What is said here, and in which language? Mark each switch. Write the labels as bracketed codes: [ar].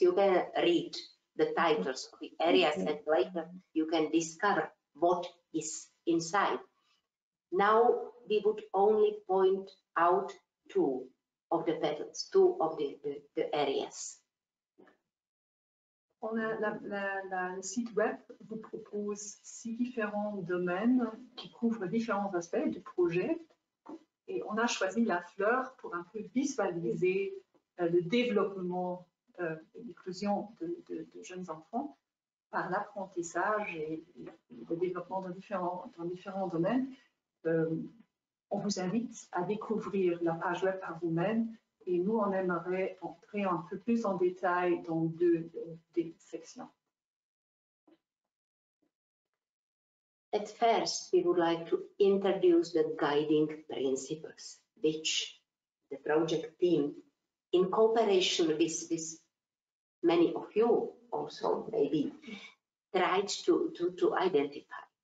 [en] You can read the titles of the areas and later you can discover what is inside. Now we would only point out 2 of the petals, 2 of the areas. [fr] On a le site web vous propose 6 différents domaines qui couvrent différents aspects du projet. Et on a choisi la fleur pour un peu visualiser le développement et l'inclusion de jeunes enfants par l'apprentissage et le développement dans différents domaines. On vous invite à découvrir la page web par vous-même. Et nous, on aimerait entrer un peu plus en détail dans 2 des sections. [en] At first, we would like to introduce the guiding principles, which the project team, in cooperation with many of you also, maybe, tried to identify.